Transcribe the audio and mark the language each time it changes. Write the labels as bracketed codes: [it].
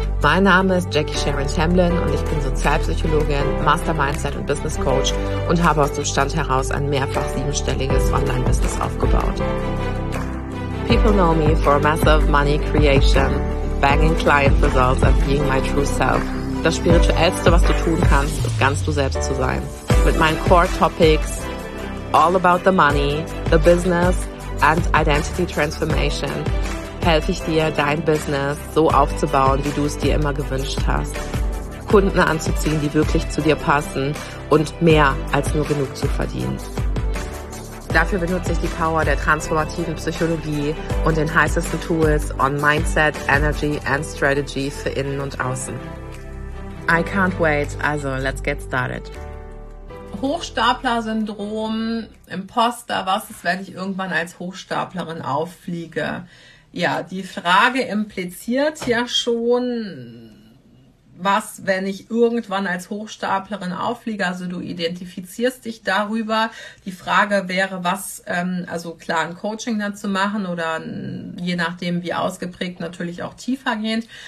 [de] Mein Name ist Jackie Sharon Tamblyn und ich bin Sozialpsychologin, Master Mindset und Business Coach und habe aus dem Stand heraus ein mehrfach siebenstelliges Online-Business aufgebaut. [en] People know me for massive money creation, banging client results and being my true self. [de] Das Spirituellste, was du tun kannst, ist ganz du selbst zu sein. Mit meinen Core Topics, [en] all about the money, the business and identity transformation, [de] helfe ich dir, dein Business so aufzubauen, wie du es dir immer gewünscht hast. Kunden anzuziehen, die wirklich zu dir passen und mehr als nur genug zu verdienen. Dafür benutze ich die Power der transformativen Psychologie und den heißesten Tools on [en] Mindset, Energy and Strategy [de] für innen und außen. [en] I can't wait, also let's get started. [de] Hochstapler-Syndrom, Imposter, was ist, wenn ich irgendwann als Hochstaplerin auffliege? Ja, die Frage impliziert ja schon, was, wenn ich irgendwann als Hochstaplerin auffliege? Also du identifizierst dich darüber. Die Frage wäre, was, also klar, ein Coaching dazu machen oder je nachdem, wie ausgeprägt, natürlich auch tiefergehend.